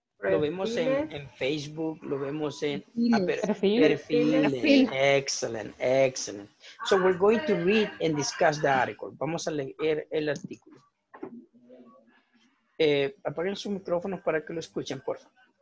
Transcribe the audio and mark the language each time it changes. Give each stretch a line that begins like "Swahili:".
Spanish: Lo vemos en Facebook, lo vemos en perfiles.
English: Excellent. So we're going to read and discuss the article.
Spanish: Vamos a leer el artículo. Apaguen sus micrófonos para que lo escuchen, por favor.